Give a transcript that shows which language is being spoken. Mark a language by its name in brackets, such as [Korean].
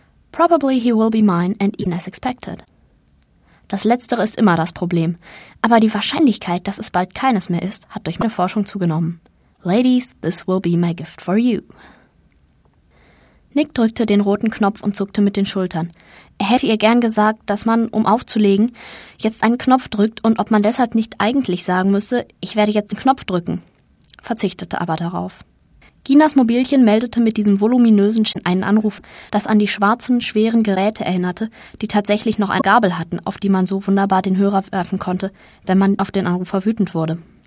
[English] Probably he will be mine and even as expected. [German] Das Letztere ist immer das Problem, aber die Wahrscheinlichkeit, dass es bald keines mehr ist, hat durch meine Forschung zugenommen. [English] Ladies, this will be my gift for you. [German] Nick drückte den roten Knopf und zuckte mit den Schultern. Er hätte ihr gern gesagt, dass man, um aufzulegen, jetzt einen Knopf drückt und ob man deshalb nicht eigentlich sagen müsse, ich werde jetzt den Knopf drücken, verzichtete aber darauf. Ginas Mobilchen meldete mit diesem voluminösen Schein einen Anruf, das an die schwarzen, schweren Geräte erinnerte, die tatsächlich noch eine Gabel hatten, auf die man so wunderbar den Hörer werfen konnte, wenn man auf den Anrufer wütend wurde.